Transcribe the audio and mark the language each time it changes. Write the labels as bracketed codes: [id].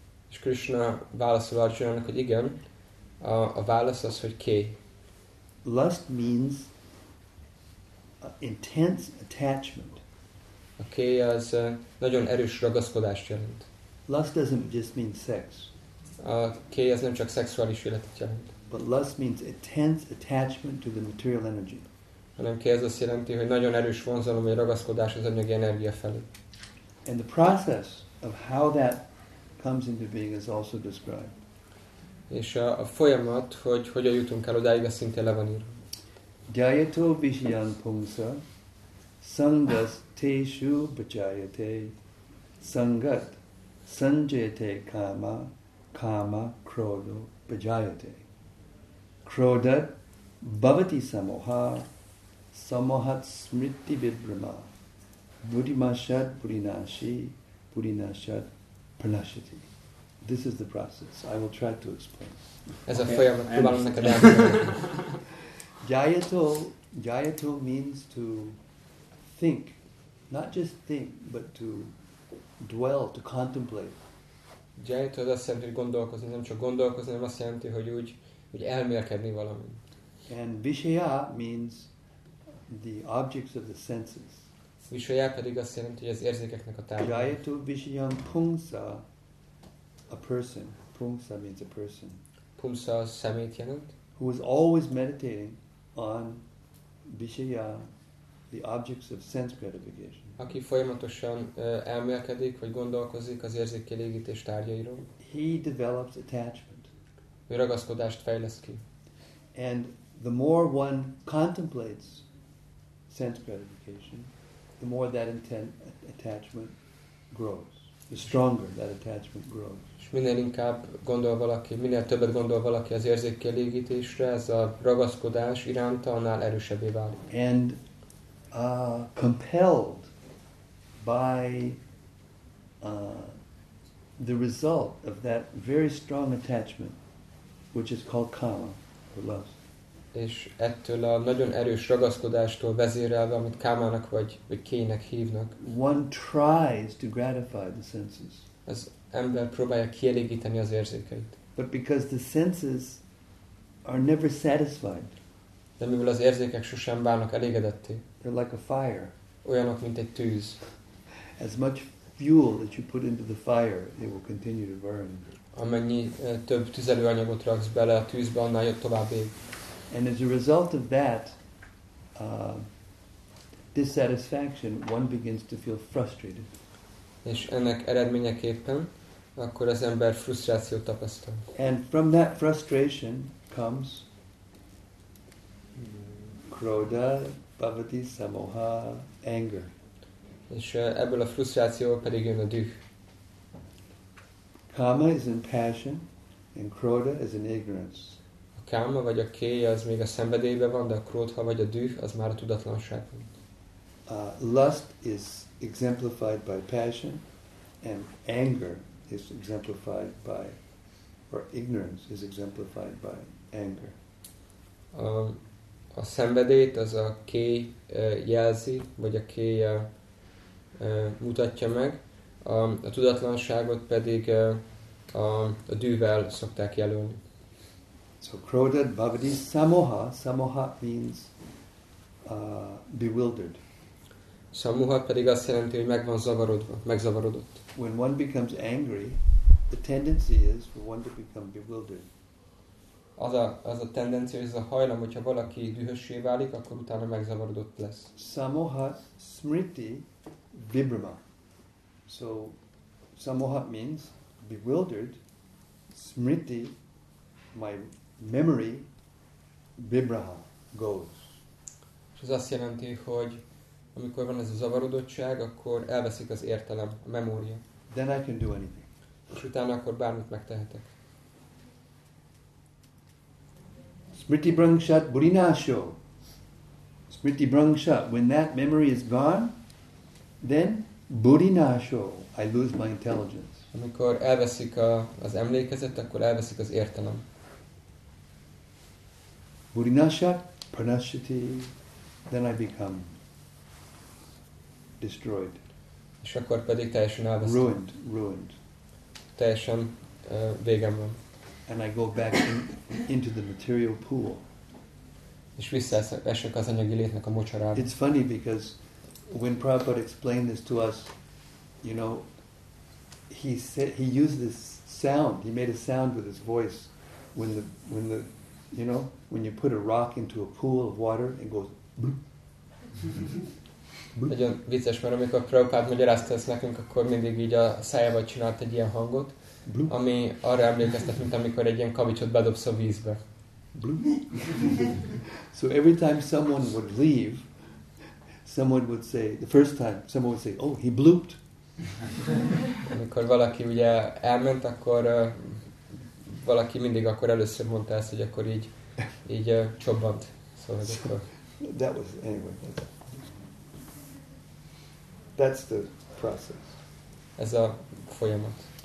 [hu] És Krishna válaszol Arjunának, hogy igen, a válasz az, hogy ké. [en] Lust means intense attachment. [hu] A ké az nagyon erős ragaszkodást jelent. [en] Lust doesn't just mean sex. [hu] A ké az nem csak szexuális életet jelent. [en] But lust means intense attachment to the material energy. [hu] Hanem ké az azt jelenti, hogy nagyon erős vonzalom, vagy ragaszkodás az anyagi energia felé. [en] And the process of how that comes into being is also described. [hu] És a folyamat, hogy hogyan jutunk el odáig, az szintén le van írva. [sa] Jayato visyan pungsa sangas teshu bajayate sangat sanjete kama kama krodo bajayate krodha bhavati samoha samohat smriti vibhrama buddhimashat purinashi purinashat pranashati. [en] This is the process. I will try to explain. [hu] As a folyamat. [en] Jayato means to think, not just think, but to dwell, to contemplate. [hu] Jayato az azt jelenti, hogy gondolkozni, nem csak gondolkozni, hanem azt jelenti, hogy úgy elmélkedni valamit. [en] And visaya means the objects of the senses. [hu] Visaya pedig azt jelenti, hogy az érzékeknek a tárgya. [sa] Jayato visyam pungsa. [en] A person, pungsa means a person. [hu] Pungsa az szemét jelent. [en] Who is always meditating on visaya, the objects of sense gratification. [hu] Aki folyamatosan elmélkedik, vagy gondolkozik az érzékkielégítés tárgyairól. [en] He develops attachment. [hu] Ő ragaszkodást fejleszt ki. [en] And the more one contemplates sense gratification, the more that attachment grows. The stronger that attachment grows. [hu] Minél inkább gondol valaki, minél többet gondol valaki az érzékkielégítésre, ez a ragaszkodás iránta, annál erősebbé válik. [en] And compelled by the result of that very strong attachment, which is called kama, or lust. [hu] És ettől a nagyon erős ragaszkodástól vezérelve, amit kámának vagy kének hívnak. [en] One tries to gratify the senses. [hu] Ember próbálja kielégíteni az érzékeit. [en] But because the senses are never satisfied. [hu] De mivel az érzékek sosem válnak elégedetté. [en] They're like a fire. [hu] Olyanok, mint egy tűz. [en] As much fuel that you put into the fire, it will continue to burn. [hu] Amennyi több tüzelőanyagot raksz bele a tűzbe, annál tovább ég. [en] And as a result of that dissatisfaction, one begins to feel frustrated. [hu] És ennek eredményeképpen akkor az ember frusztrációt tapasztal. [en] And from that frustration comes [sa] krodha, bhavati, samoha, [en] anger. [hu] És ebből a frusztrációval pedig jön a düh. [en] Kama is in passion and krodha is in ignorance. [hu] A kama vagy a kéje az még a szenvedélyben van, de a krodha vagy a düh az már a tudatlanságban. [en] Lust is exemplified by passion, and anger is exemplified by, or ignorance is exemplified by anger. [hu] A szenvedélyt az a kéj jelzi, vagy a kéj mutatja meg, a tudatlanságot pedig a dűvel szokták jelölni. [en] So [sa] krodha bhavati samoha, samoha [en] means bewildered. [hu] Samoha pedig azt jelenti, hogy meg van zavarodva, megzavarodott. [en] When one becomes angry, the tendency is for one to become bewildered. [hu] Az a tendencia, ez a hajlam, hogyha valaki dühössé válik, akkor utána megzavarodott lesz. [sa] Samoha smriti vibhrama. [en] So samoha means bewildered, smriti my memory vibhrama goes. [hu] És ez azt jelenti, hogy amikor van ez a zavarodottság, akkor elveszik az értelem, a memória. [en] Then I can do anything. [hu] És utána akkor bármit megtehetek. [sa] Smriti brangshat burinasho. Smriti brangshat. [en] When that memory is gone, then burinasho. I lose my intelligence. [hu] Amikor elveszik az emlékezet, akkor elveszik az értelem. [sa] Burinasat pranashati. [en] Then I become destroyed. [hu] És akkor pedig teljesen elvesztem. [en] Ruined. [hu] Teljesen végem van. [en] And I go back into the material pool. [hu] És visszaesek az anyagi létnek a mocsarába. [en] It's funny because when Prabhupada explained this to us, you know, he said, he used this sound. He made a sound with his voice when the you know, when you put a rock into a pool of water, it goes bloop. [hu] Nagyon vicces, mert amikor Prabhupád magyarázta ezt nekünk, akkor mindig így a szájába csinált egy ilyen hangot, ami arra emlékeztet, mint amikor egy ilyen kavicsot bedobsz a vízbe. [en] So every time someone would leave, someone would say, the first time, someone would say, oh, he blooped. [hu] Amikor valaki ugye elment, akkor valaki mindig akkor először mondta ezt, hogy akkor így csobbant. Szóval so, akkor... [en] That was, anyway, that's the process. [hu] Ez a folyamat.